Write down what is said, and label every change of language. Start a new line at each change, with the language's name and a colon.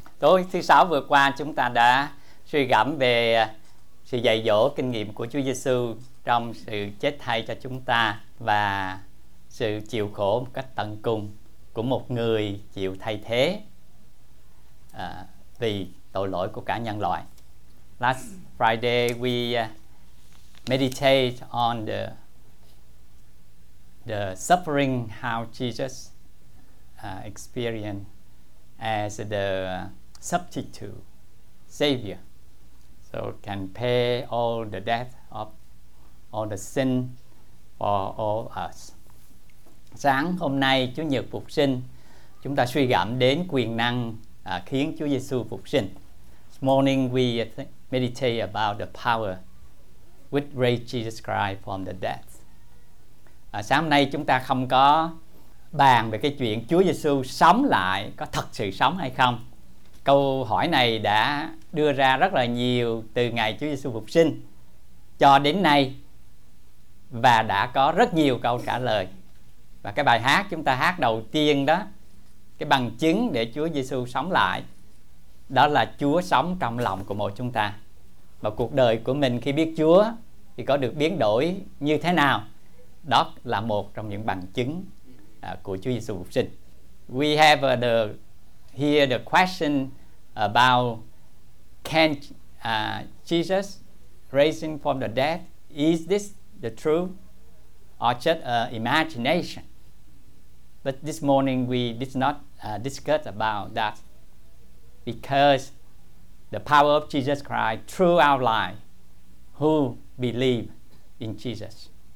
Vietnamese: Tối thứ sáu vừa qua chúng ta đã suy gẫm về sự dạy dỗ kinh nghiệm của Chúa Giêsu trong sự chết thay cho chúng ta và sự chịu khổ một cách tận cùng của một người chịu thay thế vì tội lỗi của cả nhân loại.
English: Last Friday we meditate on the suffering how Jesus experienced as the substitute savior, so can pay all the debt of all the sin for all us.
Vietnamese: Sáng hôm nay Chủ nhật phục sinh, chúng ta suy gẫm đến quyền năng khiến Chúa Giêsu phục sinh.
English: This morning we meditate about the power which raised Jesus Christ from the dead.
Vietnamese: Sáng hôm nay chúng ta không có bàn về cái chuyện Chúa Giêsu sống lại có thật sự sống hay không. Câu hỏi này đã đưa ra rất là nhiều từ ngày Chúa Giêsu phục sinh cho đến nay và đã có rất nhiều câu trả lời. Và cái bài hát chúng ta hát đầu tiên đó, cái bằng chứng để Chúa Giêsu sống lại, đó là Chúa sống trong lòng của mỗi chúng ta. Và cuộc đời của mình khi biết Chúa thì có được biến đổi như thế nào? Đó là một trong những bằng chứng của Chúa Giêsu phục sinh.
English: We have hear the question about can Jesus raising from the dead, is this the truth or just imagination? But this morning we did not discuss about that, because the power of Jesus Christ through our life who believe in Jesus.